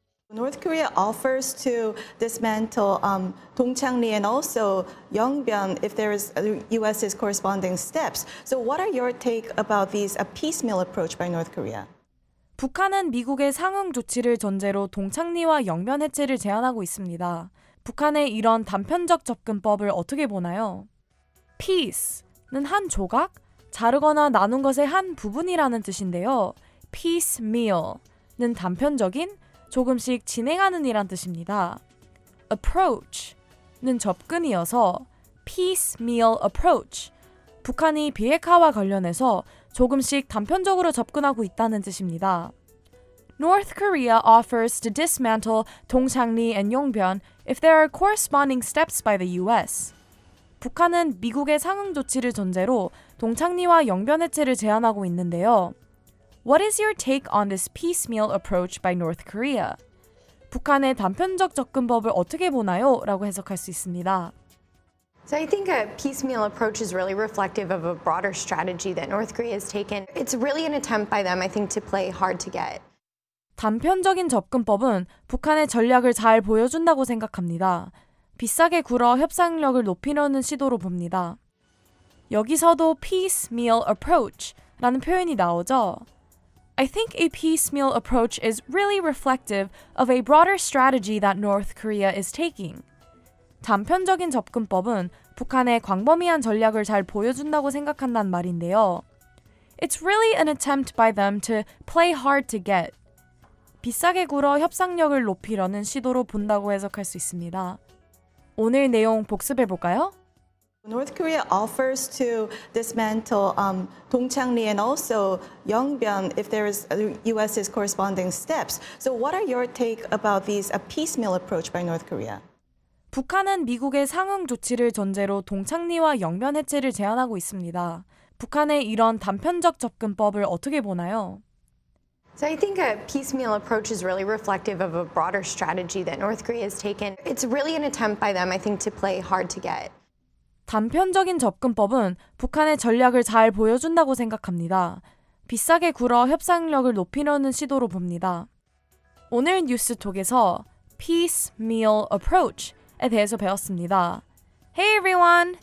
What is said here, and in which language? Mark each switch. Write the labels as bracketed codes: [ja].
[en] North Korea offers to dismantle Dongchangri and also Yongbyon if there is U.S.'s corresponding steps. So what are your take about these piecemeal approach by North Korea? [ko] 북한은 미국의 상응 조치를 전제로 동창리와 영변 해체를 제안하고 있습니다. 북한의 이런 단편적 접근법을 어떻게 보나요? piece는 한 조각, 자르거나 나눈 것의 한 부분이라는 뜻인데요. piecemeal는 단편적인, 조금씩 진행하는 이란 뜻입니다. approach는 접근이어서 piecemeal approach, 북한이 비핵화와 관련해서 조금씩 단편적으로 접근하고 있다는 뜻입니다. [en] North Korea offers to dismantle Dongchangri and Yongbyon if there are corresponding steps by the U.S. [ko] 북한은 미국의 상응 조치를 전제로 동창리와 영변 해체를 제안하고 있는데요. [en] What is your take on this piecemeal approach by North Korea? [ko] 북한의 단편적 접근법을 어떻게 보나요? 라고 해석할 수 있습니다. [en] So I think a piecemeal approach is really reflective of a broader strategy that North Korea has taken. It's really an attempt by them, I think, to play hard to get. [ko] 단편적인 접근법은 북한의 전략을 잘 보여준다고 생각합니다. 비싸게 굴어 협상력을 높이려는 시도로 봅니다. 여기서도 piecemeal approach라는 표현이 나오죠. [en] I think a piecemeal approach is really reflective of a broader strategy that North Korea is taking. [ko] 단편적인 접근법은 북한의 광범위한 전략을 잘 보여준다고 생각한단 말인데요. [en] It's really an attempt by them to play hard to get. [ko] 비싸게 굴어 협상력을 높이려는 시도로 본다고 해석할 수 있습니다. 오늘 내용 복습해 볼까요? [en] North Korea offers to dismantle Dongchangri and also Yongbyon if there is U.S.'s corresponding steps. So what are your take about these piecemeal approach by North Korea? [ko] 북한은 미국의 상응 조치를 전제로 동창리와 영변 해체를 제안하고 있습니다. 북한의 이런 단편적 접근법을 어떻게 보나요? [en] So I think a piecemeal approach is really reflective of a broader strategy that North Korea has taken. It's really an attempt by them, I think, to play hard to get. [ko] 단편적인 접근법은 북한의 전략을 잘 보여준다고 생각합니다. 비싸게 굴어 협상력을 높이려는 시도로 봅니다. 오늘 뉴스톡에서 piecemeal approach에 대해서 배웠습니다. [en] Hey everyone!